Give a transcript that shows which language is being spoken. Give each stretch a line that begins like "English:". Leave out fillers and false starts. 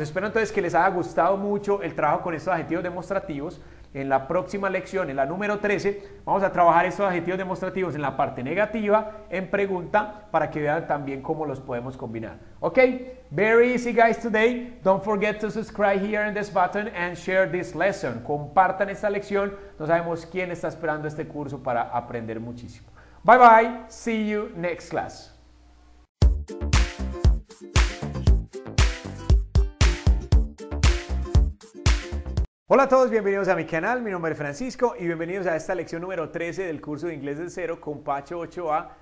Spanish: Espero entonces que les haya gustado mucho el trabajo con estos adjetivos demostrativos. En la próxima lección, en la número 13, vamos a trabajar estos adjetivos demostrativos en la parte negativa, en pregunta, para que vean también cómo los podemos combinar.
English: Ok, very easy guys today. Don't forget to subscribe here in this button and share this lesson.
Spanish: Compartan esta lección. No sabemos quién está esperando este curso para aprender muchísimo.
English: Bye bye. See you next class.
Spanish: Hola a todos, bienvenidos a mi canal, mi nombre es Francisco y bienvenidos a esta lección número 13 del curso de Inglés de Cero con Pacho 8A.